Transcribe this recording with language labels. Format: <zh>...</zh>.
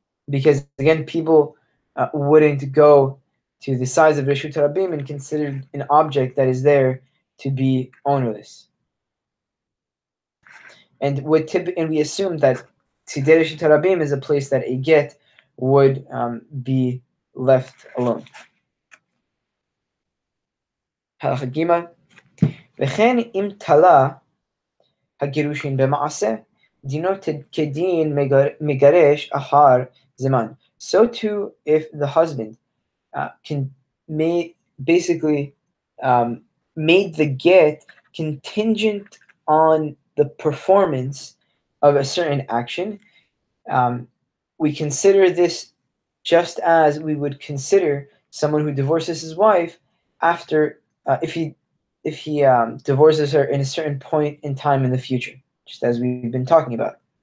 <en>Because again, people wouldn't go to the size of Reshut HaRabim and consider an object that is there to be ownerless. And we assume that Tzideh Reshut HaRabim is a place that a get would be left alone.</en> <he>Halacha Gima. וכן אם תלה הגירושין במעשה, דינו כדין מגרש אחר זמן.</he> <en>So too, if the husband made the get contingent on the performance of a certain action, we consider this just as we would consider someone who divorces his wife after, if he divorces her in a certain point in time in the future, just as we've been talking about.</en>